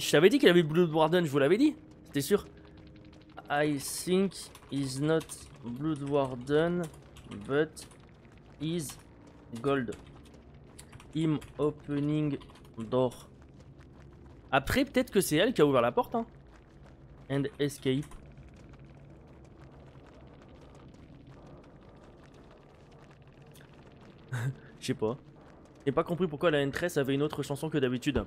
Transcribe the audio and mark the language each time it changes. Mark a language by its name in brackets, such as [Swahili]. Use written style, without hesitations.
[French] Je t'avais dit qu'il avait Blood Warden, je vous l'avais dit, c'était sûr. [English] I think is not Blood Warden, but is Gold. Him opening door. [French] Après, peut-être que c'est elle qui a ouvert la porte. Hein. [English] And escape. [French] Je sais pas. J'ai pas compris pourquoi la N13 avait une autre chanson que d'habitude.